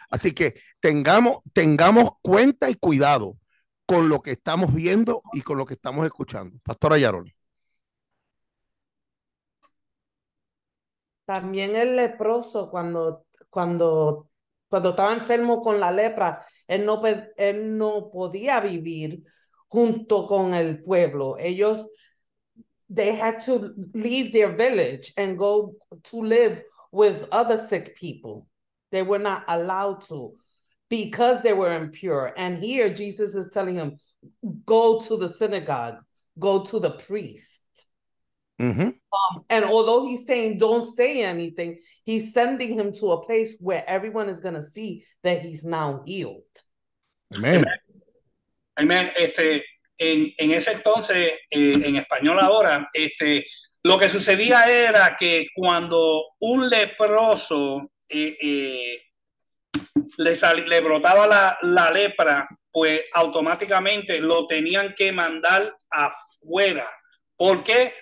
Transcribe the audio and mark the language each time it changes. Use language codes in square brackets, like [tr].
[es] Así que tengamos cuenta y cuidado con lo que estamos viendo y con lo que estamos escuchando. Pastora Yaroli. También el leproso, cuando estaba enfermo con la lepra, él no podía vivir junto con el pueblo. Ellos, [en] they had to leave their village and go to live with other sick people. They were not allowed to because they were impure. And here Jesus is telling him, go to the synagogue, go to the priest. And although he's saying don't say anything, he's sending him to a place where everyone is going to see that he's now healed. Amen. [es] En ese entonces, en español ahora, lo que sucedía era que cuando un leproso le brotaba la lepra, pues automáticamente lo tenían que mandar afuera. ¿Por qué?